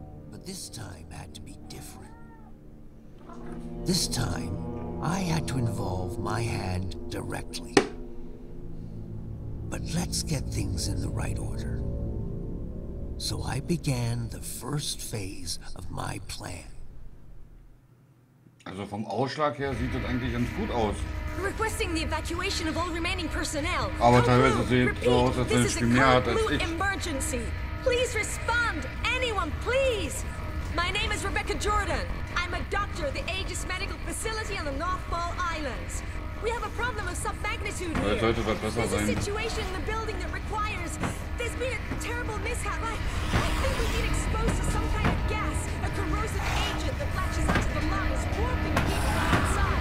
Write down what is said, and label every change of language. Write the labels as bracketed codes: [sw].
[en] But this time had to be different. This time, I had to involve my hand directly. But let's get things in the right order. So I began the first phase of my plan. [de] Also vom Ausschlag her sieht das eigentlich ganz gut aus. [en] Requesting the evacuation of all remaining personnel. [de] Aber teilweise sieht so aus, als wenn das Spiel mehr hat als ich. [en] Emergency. Please respond, anyone, please. My name is Rebecca Jordan. I'm a doctor at the Aegis Medical Facility on the North Ball Islands. We have a problem of some magnitude here. [de] Sollte was besser sein. [en] There's a situation in the building that requires... There's been a terrible mishap. I think we've been exposed to some kind of gas, a corrosive agent that latches onto the lungs, warping people outside.